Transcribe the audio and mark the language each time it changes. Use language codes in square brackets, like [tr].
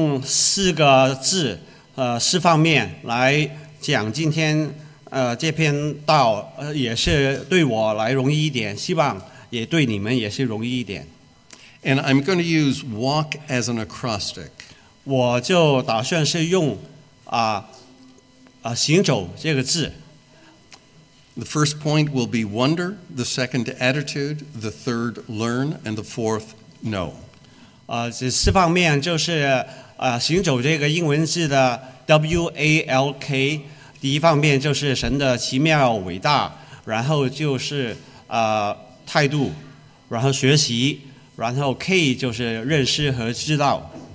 [zh] 我今天希望用四个字, 四方面来讲今天, 这篇道, 也是对我来容易一点, 希望也对你们也是容易一点。 [en] And I'm going to use walk as an acrostic. [zh] 我就打算是用 行走这个字。 [en] The first point will be wonder, the second attitude, the third learn, and the fourth know. [zh] 这四方面就是 行走这个英文字的 WALK, 第一方面就是神的奇妙伟大, 然后就是 态度, 然后学习, 然后K就是认识和知道。